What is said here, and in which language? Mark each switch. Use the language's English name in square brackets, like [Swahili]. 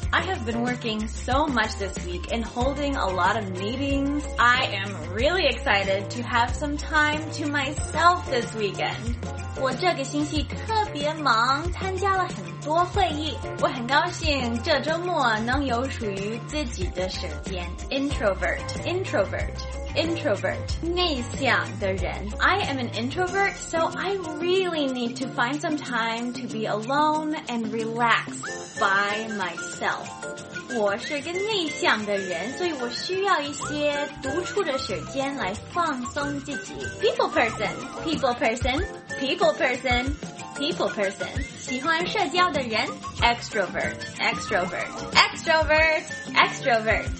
[English] I have been working so much this week and holding a lot of meetings. I am really excited to have some time to myself this weekend. [Chinese] 我这个星期特别忙，参加了很多会议。我很高兴这周末能有属于自己的时间。 Introvert. 内向的人。 [English] I am an introvert, so I really need to find some time to be alone and relax by myself. [Chinese] 我是个内向的人，所以我需要一些独处的时间来放松自己。 [English] People person. [Chinese] 喜欢社交的人。Extrovert.